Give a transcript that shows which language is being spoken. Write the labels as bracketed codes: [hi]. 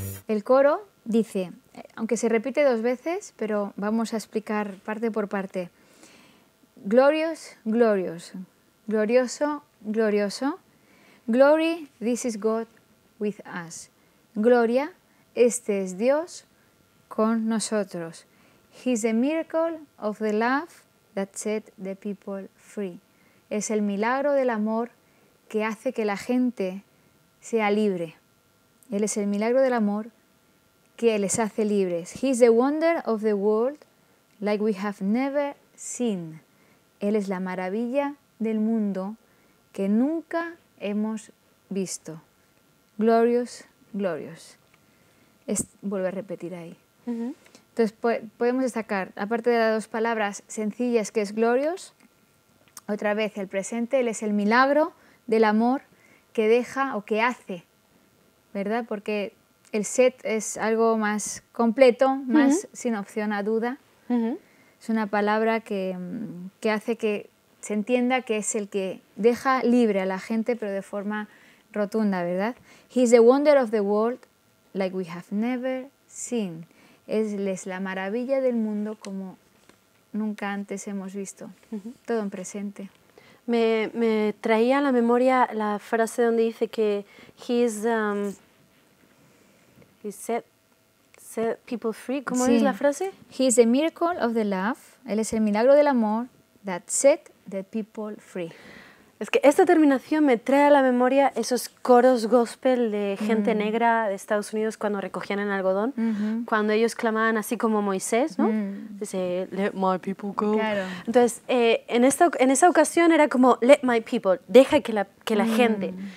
[es] El coro dice, aunque se repite dos veces, pero vamos a explicar parte por parte. [en] Glorious, glorious. [es] Glorioso, glorioso. [en] Glory, this is God with us. [es] Gloria, este es Dios con nosotros. [en] He's the miracle of the love that set the people free. [es] Es el milagro del amor que hace que la gente sea libre. Él es el milagro del amor que les hace libres. [en] He's the wonder of the world like we have never seen. [es] Él es la maravilla del mundo que nunca hemos visto. [en] Glorious, glorious. [es] Vuelvo a repetir ahí. Entonces, podemos destacar, aparte de las dos palabras sencillas, que es glorious, otra vez el presente, él es el milagro del amor que deja o que hace, ¿verdad? Porque el set es algo más completo, más sin opción a duda. Es una palabra que hace que se entienda que es el que deja libre a la gente, pero de forma rotunda, ¿verdad? [en] He's the wonder of the world like we have never seen. [es] Es la maravilla del mundo como nunca antes hemos visto. Todo en presente. Me traía a la memoria la frase donde dice que [en] he set people free. [es] ¿Cómo es la frase? [en] He's the miracle of the love. [es] Él es el milagro del amor [en] that set the people free. [es] Es que esta terminación me trae a la memoria esos coros gospel de gente negra de Estados Unidos cuando recogían el algodón, cuando ellos clamaban así como Moisés, ¿no? [en] Dice, let my people go. [es] Claro. Entonces, en esa ocasión era como, [en] let my people, [es] deja que la gente.